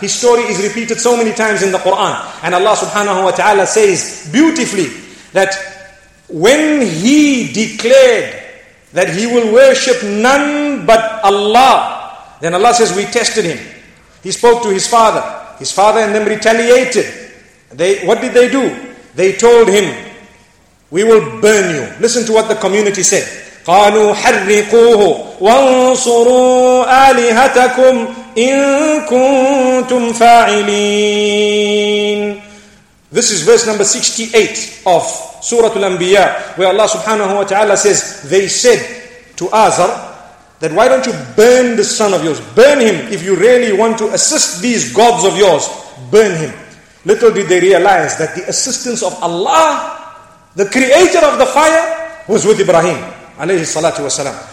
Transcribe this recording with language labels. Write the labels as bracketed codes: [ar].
[en] His story is repeated so many times in the Quran. And Allah subhanahu wa ta'ala says beautifully that when he declared that he will worship none but Allah, then Allah says, we tested him. He spoke to his father. His father and them retaliated. What did they do? They told him, we will burn you. Listen to what the community said. [ar] قالوا حرقوه وانصروا آلهتكم إن كنتم فاعلين. [en] This is verse number 68 of Surah Al-Anbiya, where Allah subhanahu wa ta'ala says, they said to Azar, that why don't you burn this son of yours? Burn him if you really want to assist these gods of yours. Burn him. Little did they realize that the assistance of Allah, the creator of the fire, was with Ibrahim alayhi salatu wasalam.